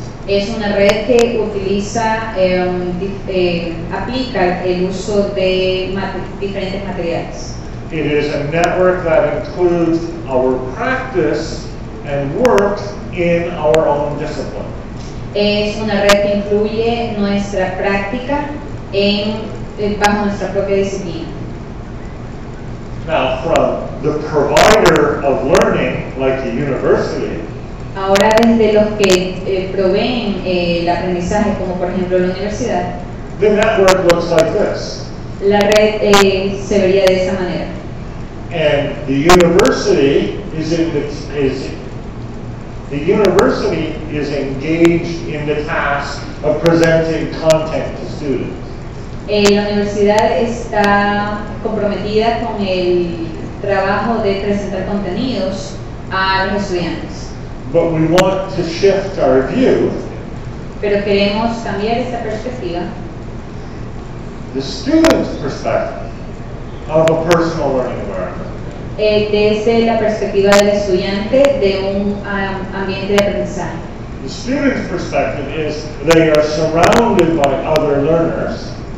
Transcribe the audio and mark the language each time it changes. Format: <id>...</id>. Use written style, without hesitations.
<es>Es una red que utiliza, aplica el uso de diferentes materiales.</es> <en>It is a network that includes our practice and work in our own discipline.</en> <es>Es una red que incluye nuestra práctica en, bajo nuestra propia disciplina.</es> <en>Now, from the provider of learning, like a university,</en> <es>ahora desde los que proveen el aprendizaje, como por ejemplo la universidad,</es> <en>the network looks like this.</en> <es>La red se vería de esa manera.</es> <en>And the university is in the, the university is engaged in the task of presenting content to students.</en> <es>La universidad está comprometida con el trabajo de presentar contenidos a los estudiantes.</es> <en>But we want to shift our view.</en> <es>Pero queremos cambiar esta perspectiva.</es> <en>The student's perspective of a personal learning environment.</en> <es>Desde la perspectiva del estudiante de un ambiente de aprendizaje.</es> <en>The student's perspective is they are surrounded by other learners.</en>